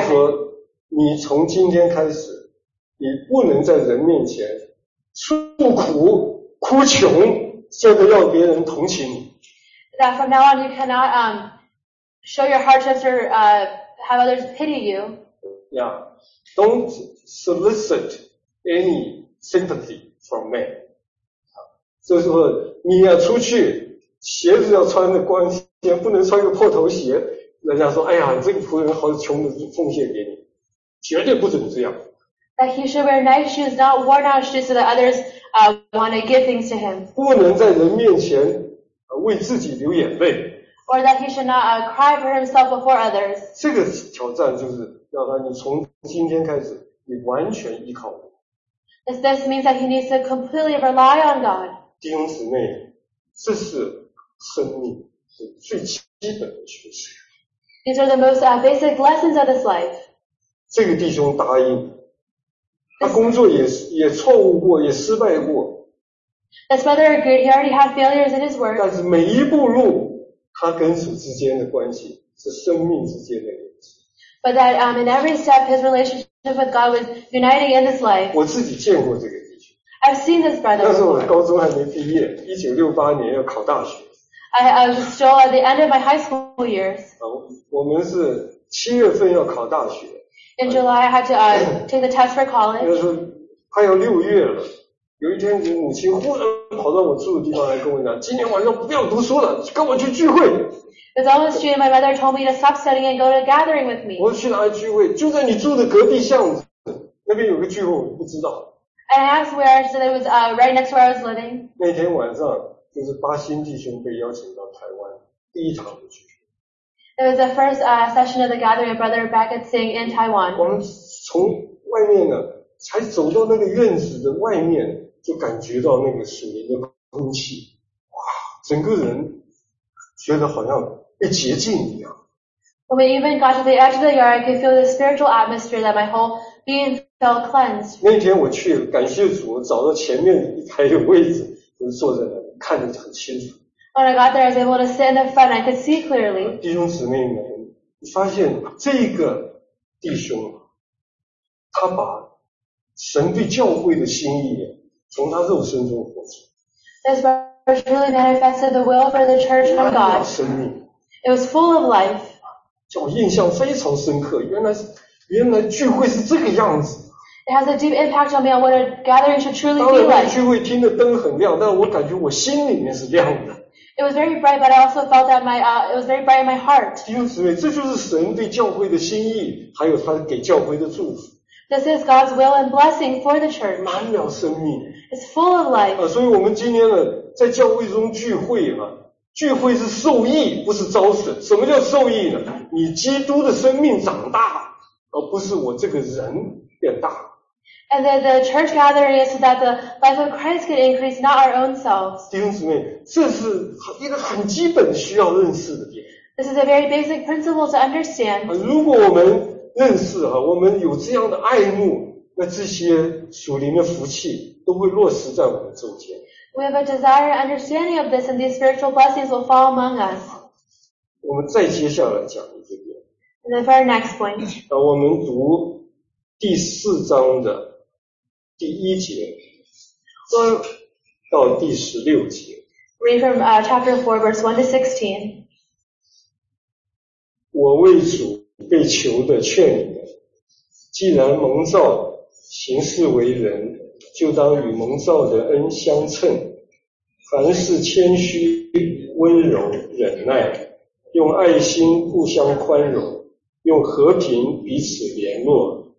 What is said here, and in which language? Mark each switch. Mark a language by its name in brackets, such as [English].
[Chinese] 他说，你从今天开始，你不能在人面前诉苦、哭穷，这个要别人同情你。 [English] That from now on you cannot show your hardships or have others pity you. Yeah, don't solicit any sympathy from men. [Chinese] 这时候你要出去鞋子要穿的光鲜，不能穿个破头鞋。人家说，哎呀，这个仆人好穷的，奉献给你，绝对不准这样。 [English] That he should wear nice shoes, not worn out shoes, so that others want to give things to him. [Chinese] 不能在人面前为自己流眼泪。 [English] Or that he should not cry for himself before others. [Chinese] 这个挑战就是要让你从今天开始，你完全依靠我。 [English] This means that he needs to completely rely on God. [Chinese] 弟兄姊妹，这是生命是最基本的学习。 [English] These are the most basic lessons of this life. [Chinese] 这个弟兄答应，他工作也错误过，也失败过。 [English] This brother agreed. He already had failures in his work. [Chinese] 但是每一步路，他跟主之间的关系是生命之间的连接。 [English] But that in every step, his relationship with God was uniting in this life. [Chinese] 我自己见过这个弟兄。 [English] I've seen this brother. [Chinese] 那时候我高中还没毕业，1968年要考大学。 [English] I was still at the end of my high school years. [Chinese] 我们是七月份要考大学。 [English] In July, I had to take the test for college. [Chinese] 那时候快要六月了，有一天我母亲忽然跑到我住的地方来跟我讲，今天晚上不要读书了，跟我去聚会。 [English] It's almost June, my mother told me to stop studying and go to a gathering with me. [Chinese] 我去哪里聚会？就在你住的隔壁巷子，那边有个聚会，我不知道。 [English] And I asked where, so it was right next to where I was living. [Chinese] 那天晚上就是巴新弟兄被邀请到台湾第一场的聚会。 [English] It was the first session of the gathering of Brother Beckett Singh in Taiwan. [Chinese] 我们从外面呢，才走到那个院子的外面，就感觉到那个属灵的空气，哇，整个人觉得好像被洁净一样。 [English] When we even got to the edge of the yard, I could feel the spiritual atmosphere that my whole being felt cleansed. [Chinese] 那天我去了，感谢主，找到前面一排的位置，我就坐在那里，看得很清楚。 [English] When I got there, I was able to sit in the front. I could see clearly. [Chinese] 弟兄姊妹们，你发现这个弟兄，他把神对教会的心意从他肉身中活出。 [English] This brother truly manifested the will for the church from God. [Chinese] 生命。 [English] It was full of life. [Chinese] 叫我印象非常深刻。原来聚会是这个样子。 [English] It has a deep impact on me on what a gathering should truly be like. [Chinese] 当然，聚会厅的灯很亮，但我感觉我心里面是亮的。 [English] It was very bright, but I also felt that my it was very bright in my heart. [Chinese] 弟兄姊妹，这就是神对教会的心意，还有他给教会的祝福。 [English] This is God's will and blessing for the church. [Chinese] 满了生命。 [English] It's full of life. [Chinese] 所以我们今天呢，在教会中聚会嘛，聚会是受益，不是遭损。什么叫受益呢？你基督的生命长大，而不是我这个人变大。 [English] And then the church gathering is so that the life of Christ can increase, not our own selves. [Chinese] 弟兄姊妹，这是一个很基本需要认识的点。 [English] This is a very basic principle to understand. [Chinese] 如果我们认识哈，我们有这样的爱慕，那这些属灵的福气都会落实在我们中间。 [English] We have a desire and understanding of this, and these spiritual blessings will fall among us. [Chinese] 我们再接下来讲一点。 [English] And then for our next point. [Chinese] 我们读第四章的第一节到第十六节。 [English] Read from chapter 4, verse 1 to 16. [Chinese] 我为主被囚的劝你们，既然蒙召行事为人，就当与蒙召的恩相称。凡事谦虚、温柔、忍耐，用爱心互相宽容，用和平彼此联络。